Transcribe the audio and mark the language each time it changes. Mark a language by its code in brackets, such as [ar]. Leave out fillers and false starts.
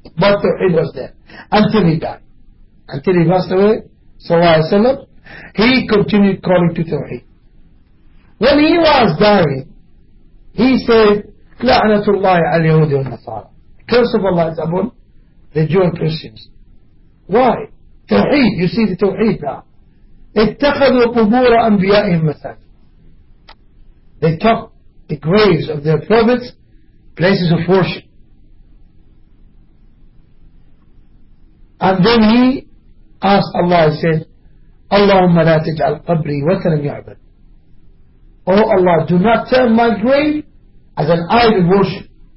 [en] But tawheed was there until he died. Until he passed away, sallallahu alayhi wa sallam. he continued calling to Tawheed. When he was dying, he said, La'natullahi al-Yahudi wal-Nasara. Curse of Allah is upon the Jew and Christians. Why? Tawheed, you see the Tawheed now. [ar] اتخذوا قبور أنبيائهم مثلا. [en] They took the graves of their prophets, places of worship. And then he asked Allah, he said, Allahumma la taj'al qabri watanan ya'bad. Oh Allah, do not turn my grave as an idol worship.